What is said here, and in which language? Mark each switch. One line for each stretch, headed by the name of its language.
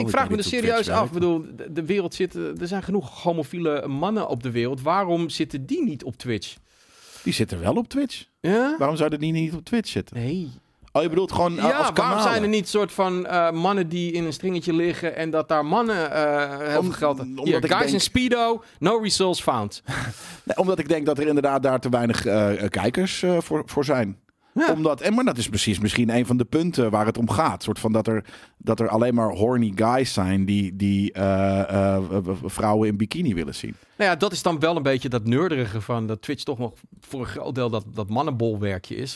Dutch: Ik vraag me er serieus af, de wereld zit, er zijn genoeg homofiele mannen op de wereld. Waarom zitten die niet op Twitch? Die zitten wel op Twitch. Ja? Waarom zouden die niet op Twitch zitten? Nee. Oh, je bedoelt gewoon als kanalen? Waarom zijn er niet soort van mannen die in een stringetje liggen en dat daar mannen hebben geld?
English: Guys in speedo, no results found.
Dutch: Nee, omdat ik denk dat er inderdaad daar te weinig kijkers voor zijn. Ja. Maar dat is precies misschien een van de punten waar het om gaat. Soort van dat er alleen maar horny guys zijn die vrouwen in bikini willen zien. Nou ja, dat is dan wel een beetje dat nerderige van dat Twitch toch nog voor een groot deel dat mannenbolwerkje is.